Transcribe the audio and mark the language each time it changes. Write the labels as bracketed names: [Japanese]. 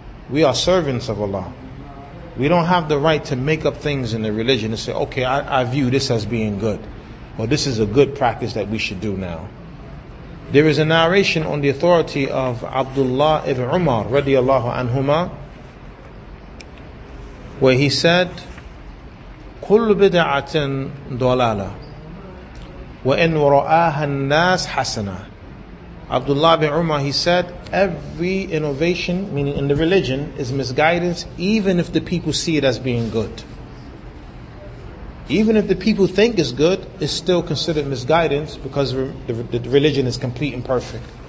[English] We are servants of Allah. We don't have the right to make up things in the religion and say, okay, I view this as being good. Or this is a good practice that we should do now. There is a narration on the authority of Abdullah ibn Umar, radiallahu anhumah, where he said, [Arabic] "كل بدعة ضلالة وإن وراءها الناس حسنة." [English] Abdullah bin Umar, he said, every innovation, meaning in the religion, is misguidance, even if the people see it as being good. Even if the people think it's good, it's still considered misguidance because the religion is complete and perfect.